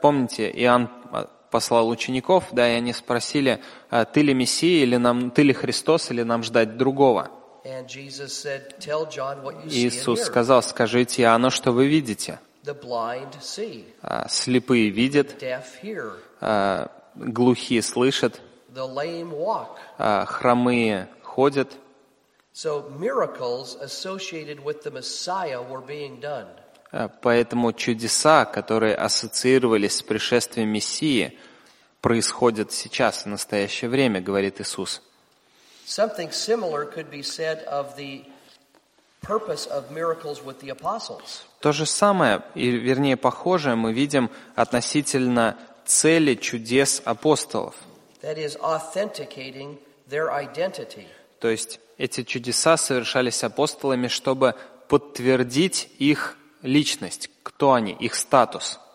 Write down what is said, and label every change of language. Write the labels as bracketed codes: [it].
[ru] Помните, Иоанн послал учеников, да, и они спросили: "Ты ли Мессия, или нам ты ли Христос, или нам ждать другого?" [en] And Jesus said, "Tell John what you see." [ru] Иисус сказал: "Скажите Иоанну, что вы видите." [en] The blind see. [ru] Слепые видят. [en] Deaf hear. [ru] Глухие слышат. [en] The lame walk. [ru] Хромые ходят. [en] So miracles associated with the Messiah were being done. [ru] Поэтому чудеса, которые ассоциировались с пришествием Мессии, происходят сейчас, в настоящее время, говорит Иисус. [en] Something similar could be said of the purpose of miracles with the apostles. [ru] То же самое, и вернее похожее, мы видим относительно цели чудес апостолов. [en] That is authenticating their identity. [ru] То есть эти чудеса совершались апостолами, чтобы подтвердить их личность, кто они, их статус.